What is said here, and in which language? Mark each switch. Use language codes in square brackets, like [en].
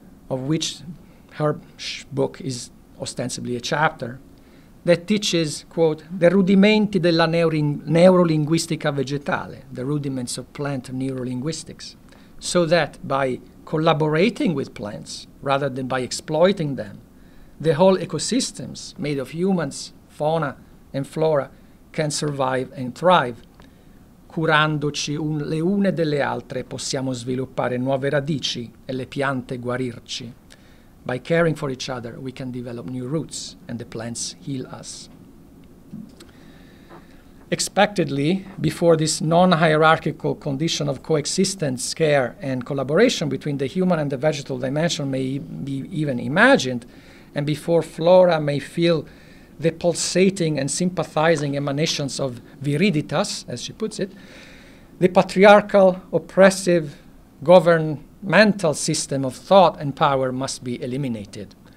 [en] of which her book is ostensibly a chapter, that teaches, quote, the [it] rudimenti della neurolinguistica vegetale, [en] the rudiments of plant neurolinguistics, so that by collaborating with plants rather than by exploiting them, the whole ecosystems made of humans, fauna, and flora can survive and thrive. [it] Curandoci le une delle altre, possiamo sviluppare nuove radici e le piante guarirci. [en] By caring for each other, we can develop new roots and the plants heal us. Expectedly, before this non-hierarchical condition of coexistence, care, and collaboration between the human and the vegetal dimension may be even imagined, and before Flora may feel the pulsating and sympathizing emanations of viriditas, as she puts it, the patriarchal, oppressive, governmental system of thought and power must be eliminated.